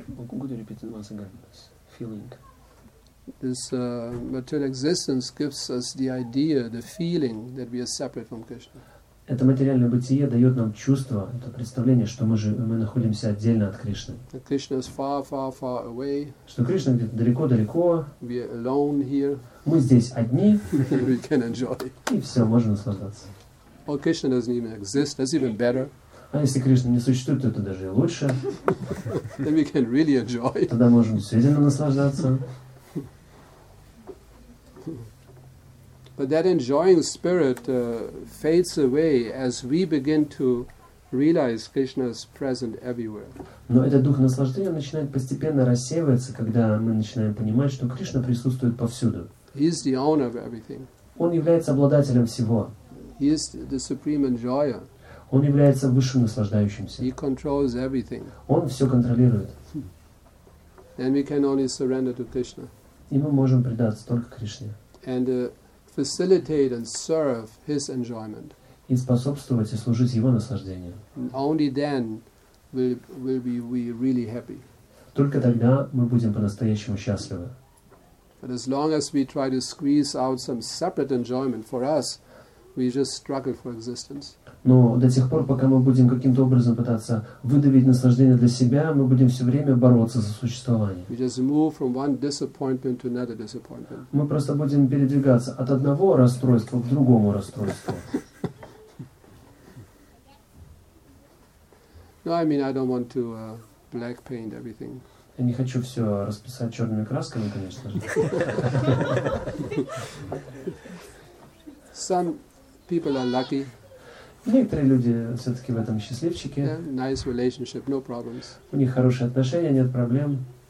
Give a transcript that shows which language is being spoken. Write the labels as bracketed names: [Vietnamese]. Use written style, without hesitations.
[English] Could you repeat it once again? Feeling. This material existence gives us the idea, the feeling that we are separate from Krishna. [Russian] Это материальное бытие дает нам чувство, это представление, что мы находимся отдельно от Кришны. [English] Krishna is far, far, far away. [Russian] Что Кришна где-то далеко-далеко. [English] We are alone here. [Russian] Мы здесь одни. [English] We can enjoy. [Russian] И все, можно наслаждаться. [English] Well, Krishna doesn't even exist. That's even better. [Russian] А если Кришна не существует, то это даже и лучше. [English] Then we can really enjoy. [Russian] Тогда можем действительно наслаждаться. [English] But that enjoying spirit fades away as we begin to realize Krishna's present everywhere. [Russian] Но этот дух наслаждения начинает постепенно рассеиваться, когда мы начинаем понимать, что Кришна присутствует повсюду. [English] He is the owner of everything. [Russian] Он является обладателем всего. [English] He is the supreme enjoyer. [Russian] Он является высшим наслаждающимся. [English] He controls everything. [Russian] Он все контролирует. [English] Then we can only surrender to Krishna. [Russian] И мы можем предаться только Кришне. [English] And facilitate and serve his enjoyment. [Russian] И способствовать и служить его наслаждению. [English] Only then will we be really happy. [Russian] Только тогда мы будем по-настоящему счастливы. [English] But as long as we try to squeeze out some separate enjoyment for us, we just struggle for existence. [Russian] Но до тех пор, пока мы будем каким-то образом пытаться выдавить наслаждение для себя, мы будем все время бороться за существование. [English] We just move from one disappointment to another disappointment. [Russian] Мы просто будем передвигаться от одного расстройства к другому расстройству. [English] No, I mean, I don't want to black paint everything. [Russian] Я не хочу все расписать черными красками, конечно же. [English] Some people are lucky. [Russian] Некоторые люди все-таки в этом счастливчики. [English] Yeah, nice relationship, no problems. [Russian] У них хорошие отношения, нет проблем.